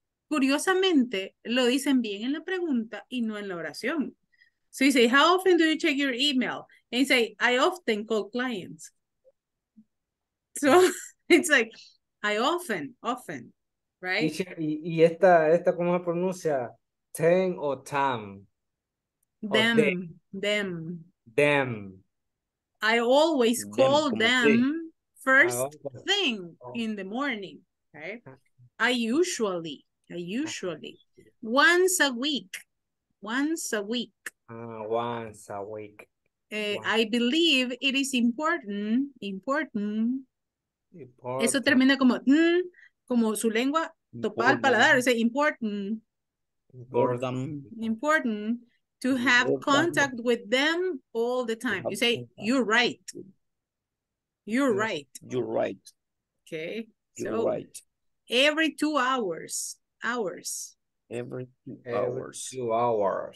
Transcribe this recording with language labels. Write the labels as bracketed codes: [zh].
[es] Curiosamente, lo dicen bien en la pregunta y no en la oración. [en] So you say, how often do you check your email? And you say, I often call clients. So it's like, I often, right? [es] Y esta, ¿cómo se pronuncia? [en] ten or tam? Them. Or them. Them. I always call them first thing in the morning. Okay. I usually. Once a week. Once a week. Once a week. I believe it is important. Important. Important. [es] Eso termina como, como su lengua, topar el paladar. Es important. [en] Important. Important. To have contact with them all the time. You say, you're right. You're right. You're right. Okay. So, you're right. Every 2 hours. Hours. Every two hours.